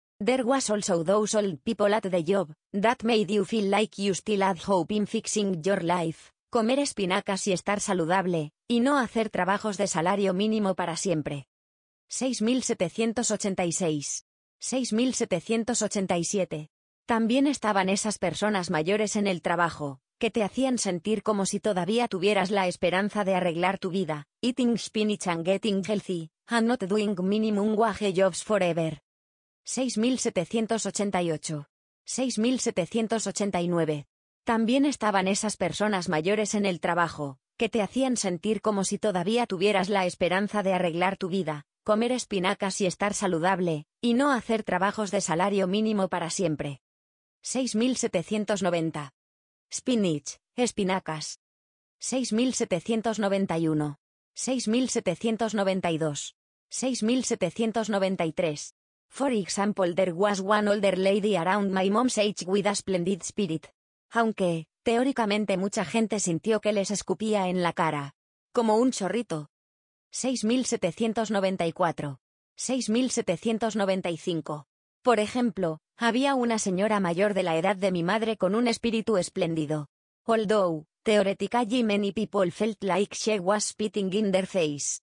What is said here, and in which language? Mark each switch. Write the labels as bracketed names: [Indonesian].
[English] There was also those old people at the job, that made you feel like you still had hope in fixing your life. [Spanish] Comer espinacas y estar saludable, y no hacer trabajos de salario mínimo para siempre. [English] 6786. 6787. [Spanish] También estaban esas personas mayores en el trabajo, que te hacían sentir como si todavía tuvieras la esperanza de arreglar tu vida, [English] eating spinach and getting healthy, and not doing minimum wage jobs forever. 6788. 6789. [Spanish] También estaban esas personas mayores en el trabajo, que te hacían sentir como si todavía tuvieras la esperanza de arreglar tu vida, comer espinacas y estar saludable, y no hacer trabajos de salario mínimo para siempre. [English] 6790. Spinach, espinacas. 6791. 6792. 6793. For example, there was one older lady around my mom's age with a splendid spirit. [Spanish] Aunque, teóricamente mucha gente sintió que les escupía en la cara. Como un chorrito. [English] 6794. 6795. [Spanish] Por ejemplo, había una señora mayor de la edad de mi madre con un espíritu espléndido. [English] Although, theoretically many people felt like she was spitting in their face.